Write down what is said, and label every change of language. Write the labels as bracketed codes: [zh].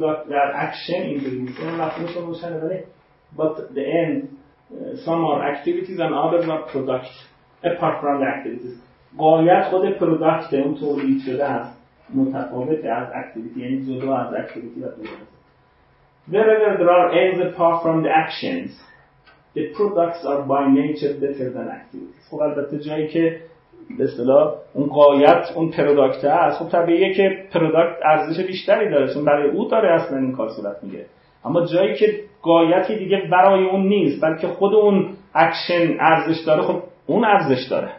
[fa] در اکشن این دیگه اون مفهومش رو روشن داره، [en] but the end some are activities and others are products apart from the activities، [fa] غایت خود پروداکت اون تولید شده است متفاوته از اکتیویتی، یعنی جدا از اکتیویتی و دوره است. [en] Wherever there are ends apart from the actions, the products are by nature better than activities. [fa] خب البته جایی که به اصطلاح اون غایت اون پروداکت هست، خب طبیعیه که پروداکت ارزش بیشتری داره، چون برای او داره اصلا این کار صورت میگه. اما جایی که غایتی دیگه برای اون نیست، بلکه خود اون اکشن ارزش داره، خب اون ارزش داره.